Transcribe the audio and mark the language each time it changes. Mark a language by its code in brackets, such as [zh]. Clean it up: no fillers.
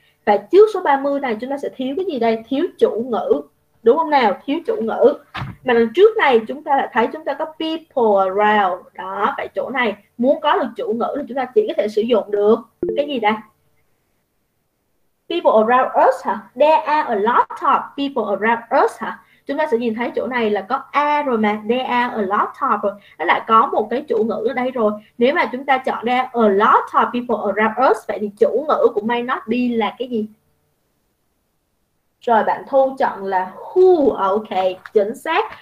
[vi] Và trước số 30 này chúng ta sẽ thiếu cái gì đây? Thiếu chủ ngữ, đúng không nào? Thiếu chủ ngữ. Mà lần trước này chúng ta đã thấy chúng ta có [en] people around. [vi] Đó, tại chỗ này muốn có được chủ ngữ thì chúng ta chỉ có thể sử dụng được cái gì đây? [en] People around us hả? There are a lot of people around us hả? [vi] Chúng ta sẽ nhìn thấy chỗ này là có a rồi mà, [en] there are a lot of [vi] rồi. Nó lại có một cái chủ ngữ ở đây rồi. Nếu mà chúng ta chọn [en] there are a lot of people around us, [vi] vậy thì chủ ngữ của [en] may not be [vi] là cái gì? Rồi bạn Thu chọn là who, ok, chính xác.